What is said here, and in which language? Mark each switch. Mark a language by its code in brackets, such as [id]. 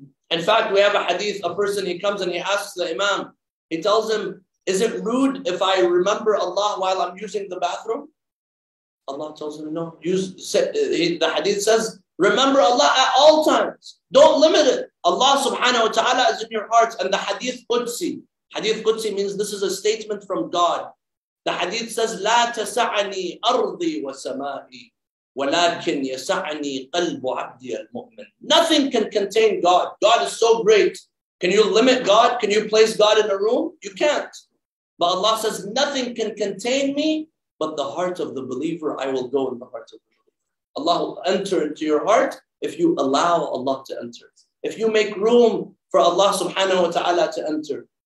[en] In fact, we have a hadith, a person, he comes and he asks the Imam, he tells him, is it rude if I remember Allah while I'm using the bathroom? Allah tells him, no. The hadith says, remember Allah at all times. Don't limit it. Allah subhanahu wa ta'ala is in your hearts. And the hadith Qudsi means this is a statement from God. The hadith says, [ar] لا تسعني أرضي وسمائي ولكن يسعني قلب عبدي المؤمن. [en] Nothing can contain God. God is so great. Can you limit God? Can you place God in a room? You can't. But Allah says, nothing can contain me, but the heart of the believer, I will go in the heart of the believer. Allah will enter into your heart if you allow Allah to enter. If you make room for Allah subhanahu wa ta'ala to enter.